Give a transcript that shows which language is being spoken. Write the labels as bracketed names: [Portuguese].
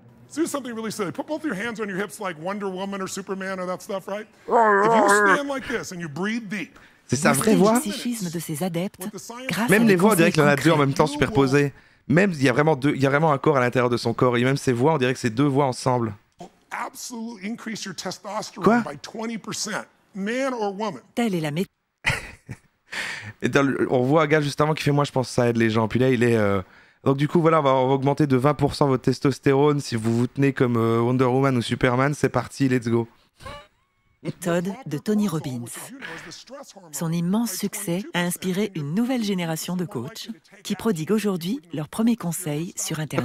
[English] This is something really silly. Put both your hands on your hips like Wonder Woman or Superman or that stuff, right? If you stand like this and you breathe deep. [French] C'est sa vraie voix. Le psychisme de ses adeptes. Même les voix, on dirait qu'il y en a deux en même temps superposées. Même il y a vraiment deux, il y a vraiment un corps à l'intérieur de son corps et même ses voix, on dirait que c'est deux voix ensemble. [English] Absolutely increase your testosterone by 20%, man or woman. [French] Telle est la méthode. Et on voit un gars juste avant qui fait, moi je pense que ça aide les gens. Puis là il est donc du coup voilà, on va augmenter de 20% votre testostérone si vous vous tenez comme Wonder Woman ou Superman. C'est parti, [English] let's go. [French] Méthode de Tony Robbins. Son immense succès a inspiré une nouvelle génération de coachs qui prodiguent aujourd'hui leurs premiers conseils sur Internet.